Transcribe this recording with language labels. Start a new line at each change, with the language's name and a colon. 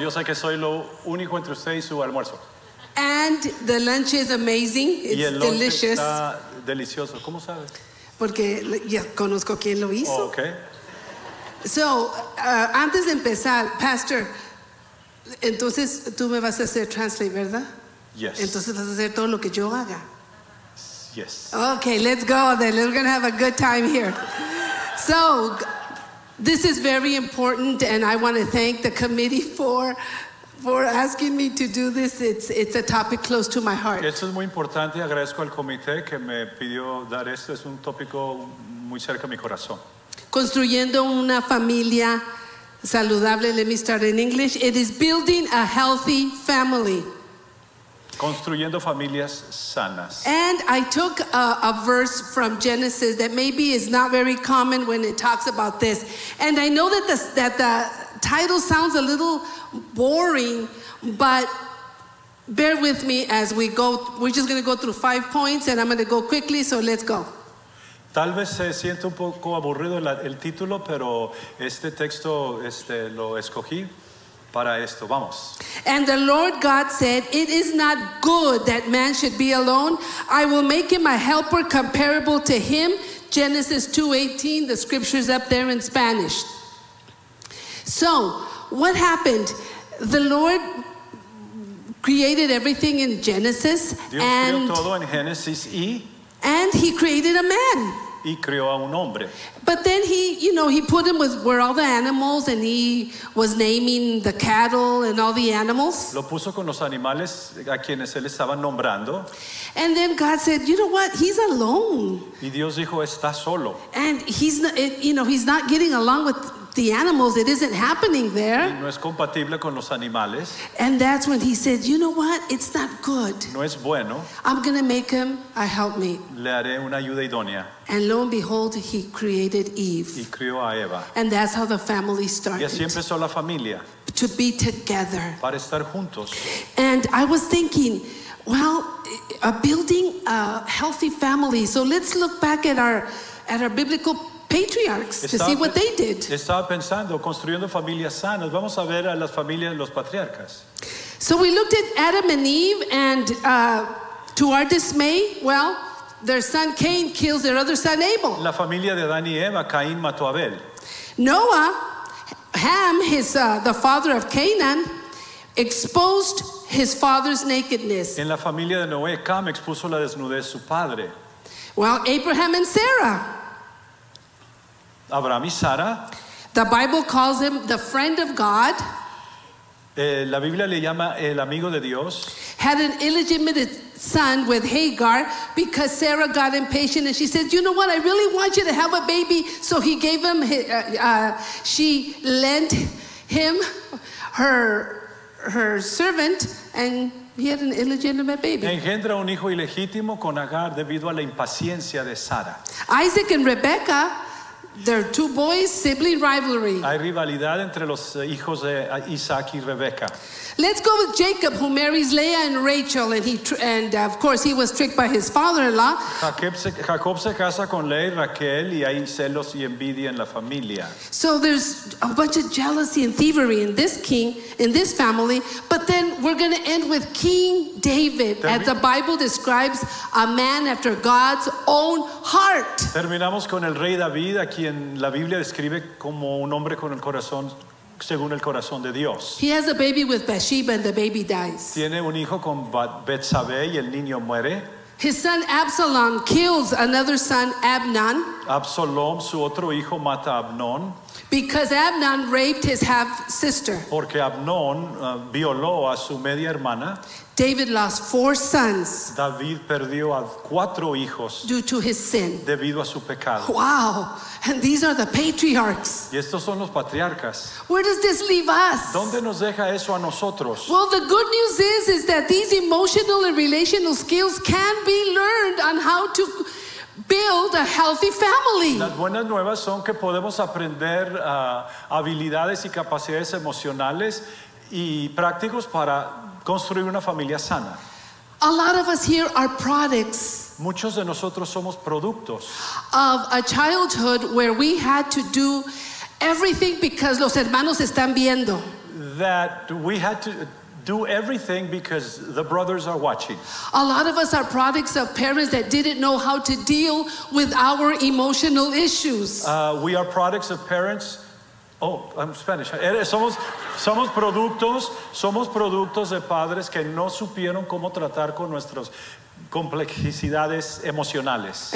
Spanish: Yo sé que soy lo único entre usted y su almuerzo.
English: And the lunch is amazing. It's
Spanish: y el
English: delicious.
Spanish: Lunch está delicioso. ¿Cómo sabes? Porque ya conozco quién lo hizo.
English: Oh, okay.
Spanish: So, antes de empezar, Pastor... Entonces tú me vas a hacer translate, ¿verdad?
English: Yes.
Spanish: Entonces vas a hacer todo lo que yo haga.
English: Yes. Okay, let's go then. We're going to have a good time here. So, this is very important, and I want to thank the committee for asking me to do this. It's a topic close to my heart.
Spanish: Esto es muy importante. Agradezco al comité que me pidió dar esto. Es un tópico muy cerca a mi corazón. Construyendo una familia saludable.
English: Let me start in English. It is building a healthy family.
Spanish: Construyendo familias sanas.
English: And I took a verse from Genesis that maybe is not very common when it talks about this. And I know that the title sounds a little boring, but bear with me as we go. We're just going to go through 5 points, and I'm going to go quickly. So let's go.
Spanish: Tal vez se siente un poco aburrido el título, pero este texto lo escogí para esto. Vamos.
English: And the Lord God said, "It is not good that man should be alone. I will make him a helper comparable to him." Genesis 2:18, the scripture's up there in Spanish. So, what happened? The Lord created everything in Genesis.
Spanish: Dios
English: and
Spanish: creó todo en Génesis y...
English: And he created a man.
Spanish: Y creó a un hombre.
English: But then he, you know, he put him with where all the animals, and he was naming the cattle and all the animals.
Spanish: Lo puso con los animales a quienes él estaba nombrando.
English: And then God said, you know what? He's alone.
Spanish: Y Dios dijo, está solo.
English: And he's not, you know, he's not getting along with the animals. It isn't happening there.
Spanish: Y no es compatible con los animales.
English: And that's when he said, you know what? It's not good.
Spanish: No es bueno.
English: I'm going to make him a helpmate.
Spanish: Le haré una ayuda idónea.
English: And lo and behold, he created Eve.
Spanish: Y crió a Eva.
English: And that's how the family started.
Spanish: Y así empezó la familia.
English: To be together.
Spanish: Para estar juntos.
English: And I was thinking, well, a building a healthy family. So let's look back at our biblical patriarchs to see what they did.
Spanish: Estaba pensando, construyendo familias sanas. Vamos a ver a las familias, los patriarcas.
English: So we looked at Adam and Eve, and to our dismay, well, their son Cain kills their other son Abel.
Spanish: La familia de Adán y Eva, Caín mató a Abel.
English: Noah, Ham, the father of Canaan, exposed his father's nakedness.
Spanish: En la familia de Noé, Cam expuso la desnudez de su padre.
English: Well, Abraham and Sarah.
Spanish: Abraham y Sara.
English: The Bible calls him the friend of God.
Spanish: La Biblia le llama el amigo de Dios.
English: Had an illegitimate son with Hagar because Sarah got impatient and she said, you know what, I really want you to have a baby. So he gave him, she lent him her servant, and he had an illegitimate baby.
Spanish: Engendra un hijo ilegítimo con Agar debido a la impaciencia de Sara.
English: Isaac and Rebecca, they're two boys, sibling rivalry.
Spanish: Hay rivalidad entre los hijos de Isaac y Rebeca.
English: Let's go with Jacob, who marries Leah and Rachel, and of course he was tricked by his father-in-law.
Spanish: Jacob se casa con Leah y Raquel, y hay celos y envidia en la familia.
English: So there's a bunch of jealousy and thievery in this king, in this family. But then we're going to end with King David, as the Bible describes a man after God's own heart.
Spanish: Terminamos con el rey David, a quien la Biblia describe como un hombre con el corazón. Según el corazón de Dios.
English: He has a baby with Bathsheba and the baby dies.
Spanish: Tiene un hijo con Betsabé y el niño muere.
English: His son Absalom kills another son, Amnon.
Spanish: Absalom, su otro hijo, mata a Amnon.
English: Because Amnon raped his half-sister.
Spanish: Porque Amnon violó a su media hermana.
English: David lost 4 sons.
Spanish: David perdió a 4 hijos.
English: Due to his sin.
Spanish: Debido a su pecado.
English: Wow. And these are the patriarchs.
Spanish: Y estos son los patriarcas.
English: Where does this leave us?
Spanish: ¿Dónde nos deja eso a nosotros?
English: Well, the good news is that these emotional and relational skills can be learned on how to build a healthy family.
Spanish: Las buenas nuevas son que podemos aprender habilidades y capacidades emocionales y prácticos para construir una familia sana.
English: A lot of us here are products.
Spanish: Muchos de nosotros somos productos.
English: Of a childhood where we had to do everything because
Spanish: los hermanos están viendo.
English: That we had to do everything because the brothers are watching. A lot of us are products of parents that didn't know how to deal with our emotional issues. We are products of parents. Oh, I'm Spanish.
Spanish: Somos productos de padres que no supieron cómo tratar con nuestras complejidades emocionales.